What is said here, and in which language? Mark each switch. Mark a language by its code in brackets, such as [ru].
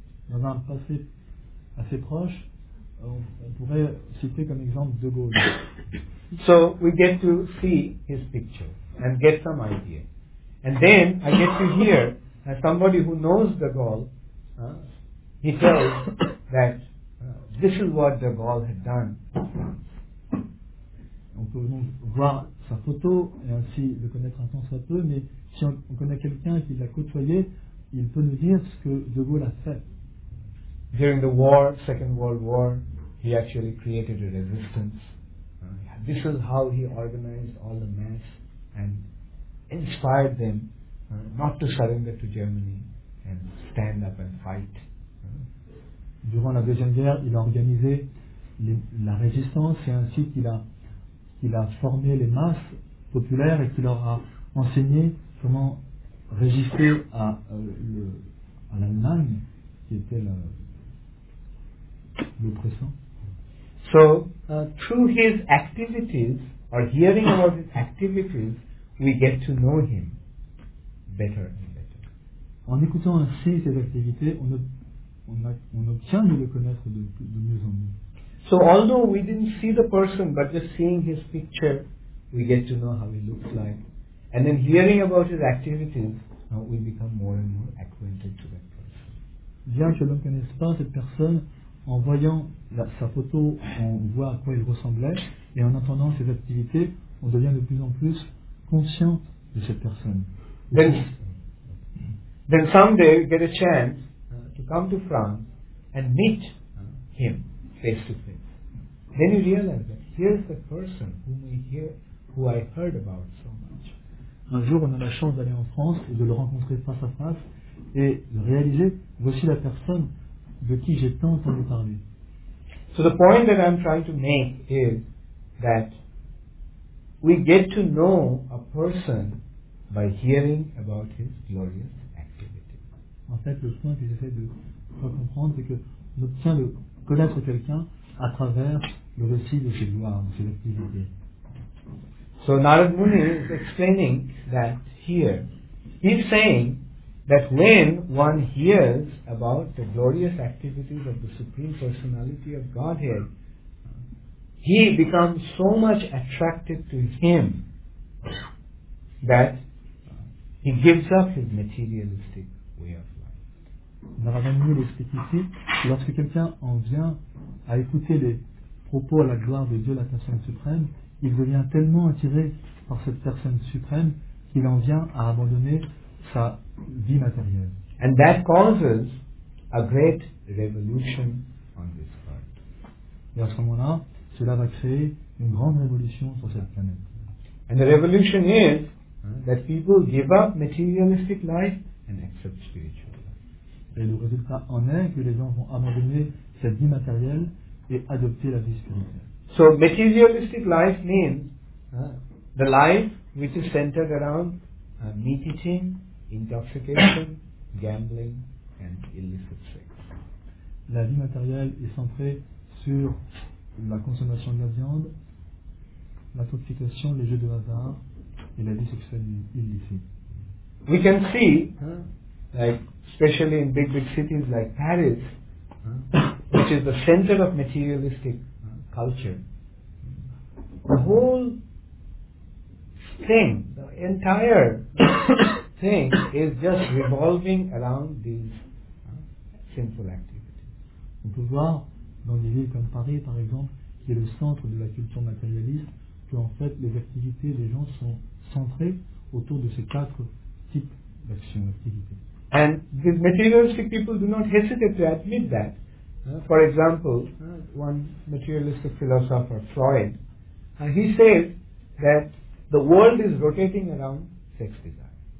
[fr] Dans un passé assez proche, on pourrait citer comme exemple De Gaulle. [en] So we get to see his picture and get some idea. And then I get to hear that somebody who knows De Gaulle, he tells that this is what De Gaulle had done. [fr] On peut donc voir sa photo et ainsi le connaître un temps soit peu, mais si on connaît quelqu'un qui l'a côtoyé, il peut nous dire ce que De Gaulle a fait. [en] During the war, Second World War, he actually created a resistance. This is how he organized all the mass and inspired them not to surrender to Germany and stand up and fight. [fr] Durant la Deuxième Guerre, il a organisé la résistance et ainsi qu'il a formé les masses populaires et qu'il leur a enseigné comment résister à l'Allemagne qui était l'oppressant. [en] So, through his activities, or hearing about his activities, we get to know him better and better. [fr] En écoutant ainsi ses activités, on obtient de le connaître de mieux en mieux. [en] So, although we didn't see the person, but just seeing his picture, we get to know how he looks like. And then hearing about his activities, we become more and more acquainted to that person. [fr] Bien que l'on ne connaisse pas cette personne, en voyant sa photo, on voit à quoi il ressemblait, et en entendant ses activités, on devient de plus en plus conscient de cette personne. [en] Then someday we get a chance to come to France and meet him face to face. Then you realize that here's the person who I heard about so much. [fr] Un jour, on a la chance d'aller en France et de le rencontrer face à face et de réaliser voici la personne de qui j'ai tant entendu parler. [en] So the point that I'm trying to make is that we get to know a person by hearing about his glorious activity. [fr] En fait, le point que j'essaie de faire comprendre, c'est que on obtient de connaître quelqu'un à travers le récit de ses gloires, de ses activités. [en] So Narad Muni is explaining that here. He's saying that when one hears about the glorious activities of the Supreme Personality of Godhead, he becomes so much attracted to him that he gives up his materialistic way of life. [fr] Narad Muni l'explique ici, lorsque quelqu'un en vient à écouter les propos à la gloire de Dieu, la personne suprême, il devient tellement attiré par cette personne suprême qu'il en vient à abandonner sa vie matérielle. [en] And that causes a great revolution on this planet. [fr] Et à ce moment-là, cela va créer une grande révolution sur cette planète. [en] And the revolution is that people give up materialistic life and accept spiritual life. [fr] Et le résultat en est que les gens vont abandonner cette vie matérielle et adopter la vie spirituelle. [en] So materialistic life means the life which is centered around meat eating, intoxication, gambling and illicit sex. [fr] La vie matérielle est centrée sur la consommation de la viande, l'intoxication, les jeux de hasard et la vie sexuelle illicite. [en] We can see like especially in big cities like Paris which is the center of materialistic culture. The whole thing, the entire thing is just revolving around these sinful activities. [fr] On peut voir dans des villes comme Paris par exemple, qui est le centre de la culture matérialiste, que en fait les activités des gens sont centrées autour de ces quatre types d'actions, d'activités. [en] And these materialistic people do not hesitate to admit that. For example, one materialistic philosopher, Freud, he says that the world is rotating around sex desire.